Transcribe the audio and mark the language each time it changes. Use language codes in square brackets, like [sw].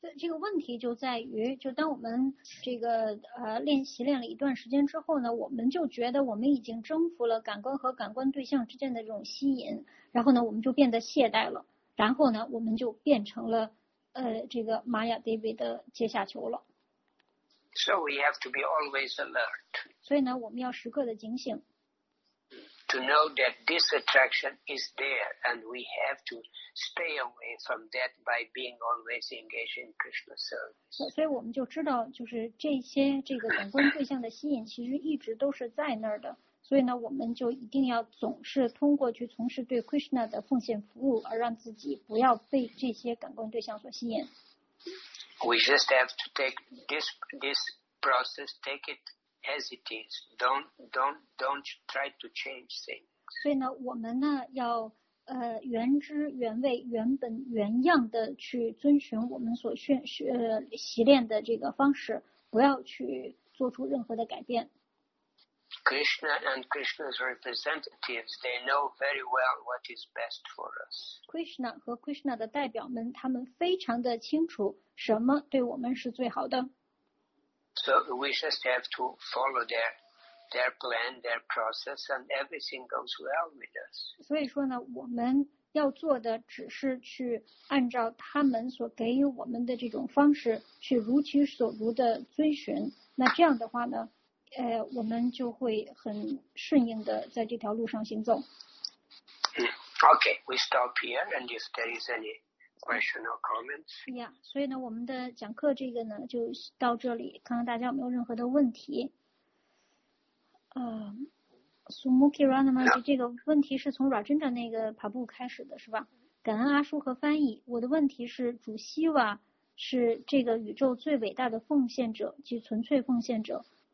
[zh] 这个问题就在于，就当我们这个练习练了一段时间之后呢，我们就觉得我们已经征服了感官和感官对象之间的这种吸引，然后呢，我们就变得懈怠了，然后呢，我们就变成了这个玛雅 Devi 的阶下囚了。 [en] So we have to be always alert. [zh] 所以呢，我们要时刻的警醒。 [en] To know that this attraction is there, and we have to stay away from that by being always engaged in Krishna service. [zh] 所以我们就知道，就是这个感官对象的吸引，其实一直都是在那儿的。所以呢，我们就一定要总是通过去从事对 Krishna 的奉献服务，而让自己不要被这些感官对象所吸引。 [en] We just have to take this process, take it as it is. Don't try to change things. [zh] 所以呢，我们呢要原汁原味、原本原样的去遵循我们所习练的这个方式，不要去做出任何的改变。 [en] Krishna and Krishna's representatives, they know very well what is best for us. [zh] Krishna 和 Krishna 的代表们，他们非常的清楚什么对我们是最好的。 [en] So we just have to follow their plan, their process, and everything goes well with us. [zh] 所以说呢，我们要做的只是去按照他们所给予我们的这种方式去如其所如的遵循。那这样的话呢？我们就会很顺应的在这条路上行走。 [en] Okay, we stop here, and if there is any question or comments. [zh] Yeah, 所以呢，我们的讲课这个呢就到这里，看看大家有没有任何的问题。 Sumukhi Ranama, 这个问题是从 Rajendra 那个跑步开始的是吧？感恩阿叔和翻译，我的问题是主希瓦是这个宇宙最伟大的奉献者，即纯粹奉献者。